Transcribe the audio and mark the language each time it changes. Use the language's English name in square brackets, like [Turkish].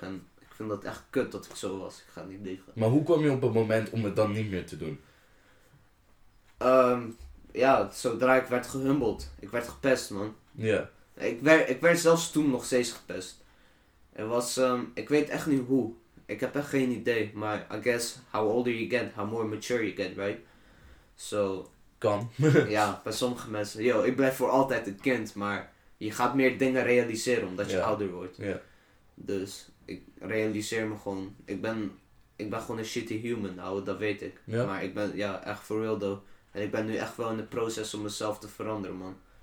[Dutch] En ik vind dat echt kut dat ik zo was. Ik ga niet liegen. Maar hoe kwam je op het moment om het dan niet meer te doen? Ja, zodra ik werd gehumbled. Ik werd gepest, man. Ja. Yeah. Ik werd zelfs toen nog steeds gepest. Er was, ik weet echt niet hoe. Ik heb echt geen idee. [English] Maar I guess, how older you get, how more mature you get, right? So. [Dutch] Kan. Ja, bij sommige mensen. Yo, ik blijf voor altijd een kind. Maar je gaat meer dingen realiseren omdat je ouder wordt. [English] Yeah. [Dutch] Dus ik realiseer me gewoon. Ik ben gewoon een [English] shitty human, [Dutch] ouwe, dat weet ik. [English] Yeah. [Dutch] Maar ik ben, ja, echt [English] for real though. [Dutch] En ik ben nu echt wel in het proces om mezelf te veranderen, man.